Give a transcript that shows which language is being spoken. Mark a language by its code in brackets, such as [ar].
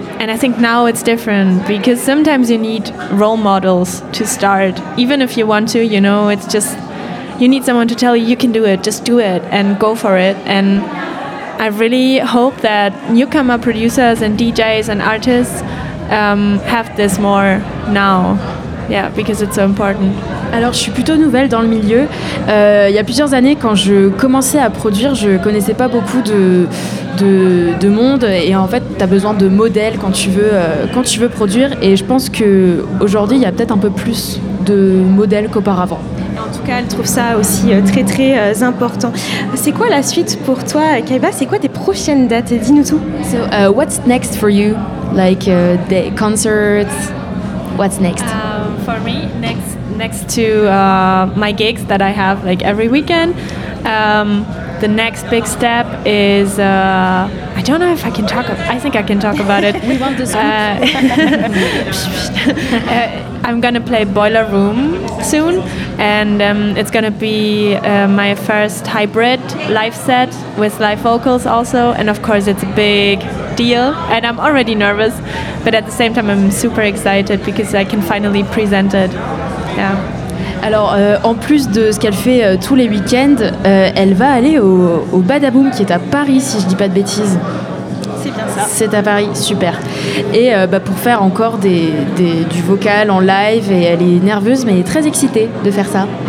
[en] And I think now it's different, because sometimes you need role models to start. Even if you want to, you know, it's just, you need someone to tell you, you can do it, just do it and go for it. And I really hope that newcomer producers and DJs and artists have this more now. Yeah, because it's so important. [fr] Alors, je suis plutôt nouvelle dans le milieu. Il y a plusieurs années, quand je commençais à produire, je connaissais pas beaucoup de monde, et en fait t'as besoin de modèles quand tu veux produire, et je pense que aujourd'hui il y a peut-être un peu plus de modèles qu'auparavant. En tout cas, elle trouve ça aussi très très important. C'est quoi la suite pour toi, Kaiva? C'est quoi tes prochaines dates? Dis-nous tout. [en] So what's next for you, like day concerts, what's next? For me, next to my gigs that I have like every weekend, the next big step is, I don't know if I can talk about it. I think I can talk about it. We want the scoop. I'm going to play Boiler Room soon, and it's going to be my first hybrid live set with live vocals also. And of course, it's a big deal, and I'm already nervous, but at the same time, I'm super excited because I can finally present it. Yeah. [fr] Alors, en plus de ce qu'elle fait tous les week-ends, elle va aller au Badaboom, qui est à Paris, si je dis pas de bêtises. C'est bien ça. C'est à Paris, super. Et pour faire encore du vocal en live, et elle est nerveuse, mais très excitée de faire ça.